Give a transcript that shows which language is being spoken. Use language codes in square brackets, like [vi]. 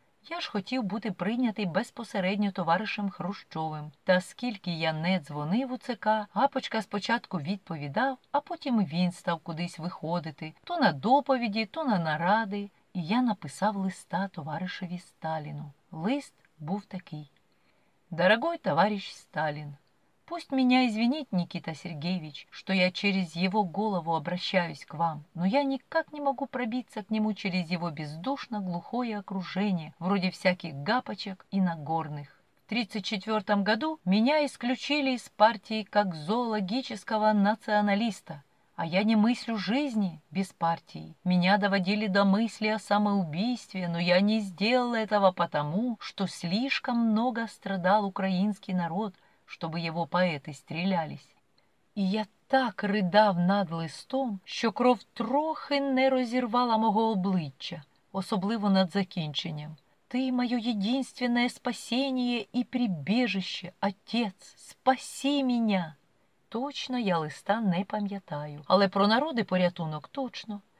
[uk] Я ж хотів бути прийнятий безпосередньо товаришем Хрущовим. Та скільки я не дзвонив у ЦК, Гапочка спочатку відповідав, а потім він став кудись виходити, то на доповіді, то на наради. І я написав листа товаришеві Сталіну. [ru] Лист був такий: «Дорогой товариш Сталін, пусть меня извинит Никита Сергеевич, что я через его голову обращаюсь к вам, но я никак не могу пробиться к нему через его бездушно-глухое окружение, вроде всяких гапочек и нагорных. В 34-м году меня исключили из партии как зоологического националиста, А я не мыслю жизни без партии. Меня доводили до мысли о самоубийстве, но я не сделал этого потому, что слишком много страдал украинский народ, чтобы его поэты стрелялись. [uk] И я так рыдав над листом, що кров трохи не розірвала мого обличчя, особливо над закінченням. Ти – моє єдинственне спасіння і прибіжище, отець, спаси мене! Точно я листа не пам'ятаю, але про народи порятунок точно.